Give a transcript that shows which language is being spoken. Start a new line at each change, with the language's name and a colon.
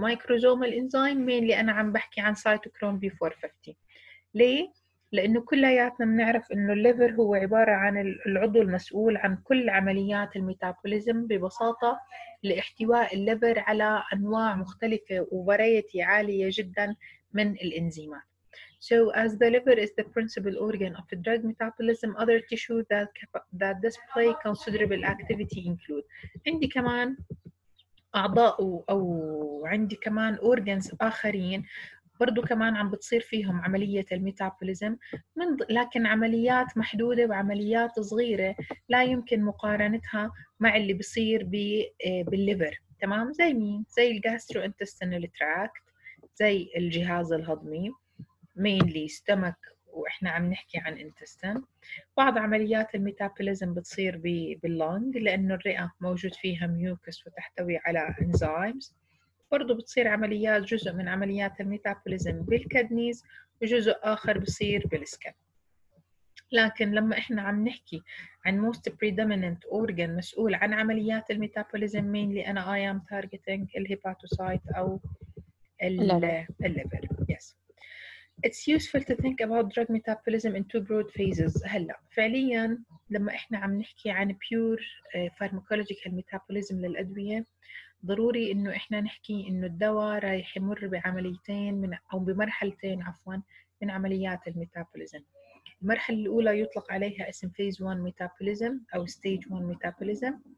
Arabic: مايكروزومال إنزيم مين؟ اللي أنا عم بحكي عن سايتوكروم بي 450. ليه؟ لأنه كلياتنا بنعرف إنه الليفر هو عبارة عن العضو المسؤول عن كل عمليات الميتابوليزم ببساطة لإحتواء الليفر على أنواع مختلفة وفرايتي عالية جدا من الإنزيمات.
English: So as the liver is the principal organ of the drug metabolism, other tissues that display considerable activity include.
Arabic: عندي كمان أعضاء أو عندي كمان organs آخرين برضو كمان عم بتصير فيهم عملية الميتابوليزم، لكن عمليات محدودة وعمليات صغيرة لا يمكن مقارنتها مع اللي بصير بالليفر. تمام؟ زي مين؟ زي الجاسترو-انتستينال تراكت، زي الجهاز الهضمي
English: mainly stomach
Arabic: وإحنا عم نحكي عن intestine. بعض عمليات الميتابوليزم بتصير باللونج لأنه الرئة موجود فيها ميوكس وتحتوي على enzymes. برضو بتصير عمليات جزء من عمليات الميتابوليزم بالكدنيز وجزء آخر بصير بالسكن. لكن لما إحنا عم نحكي عن
English: most predominant organ
Arabic: مسؤول عن عمليات الميتابوليزم mainly أنا
English: I am targeting
Arabic: الهيباتوسايت أو الليبر.
English: yes. It's useful to think about drug metabolism in two broad phases.
Arabic: هلا فعليا لما احنا عم نحكي عن
English: pure pharmacological metabolism
Arabic: للأدوية ضروري انه احنا نحكي انه الدواء رايح يمر بعمليتين من او بمرحلتين عفوا من عمليات الميتابوليزم. المرحلة الاولى يطلق عليها اسم
English: phase 1 metabolism
Arabic: او
English: stage 1 metabolism.